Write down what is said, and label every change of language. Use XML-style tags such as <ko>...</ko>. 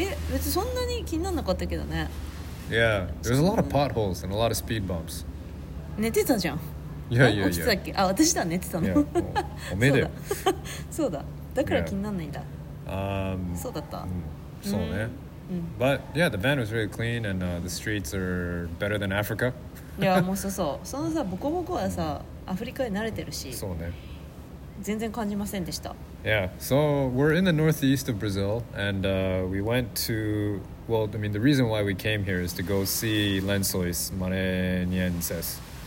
<ja>別にそんなに気にならなかったけどね。</ja> <en>Yeah, there's a lot of potholes and a lot of speed bumps.</en> <ja>寝てたじゃん。</ja> <en>Yeah, yeah, yeah.</en> <ja>落ちたっけ。あ、私だ、寝てたの。</ja> <en>Yeah,</en> <ja>おめでそうだ、だから気にならないんだ。そうだった。そうね。</ja> <en>But yeah, the van was really clean and the streets are better than Africa.</en> <ja>いや、もうそうそう、そのさ、ボコボコはさ、アフリカに慣れてるし。そうね、全然感じませんでした。</ja> <en>Yeah, so we're in the northeast of Brazil, and we went to, well, I mean, the reason why we came here is to go see Lençóis Maranhenses.</en>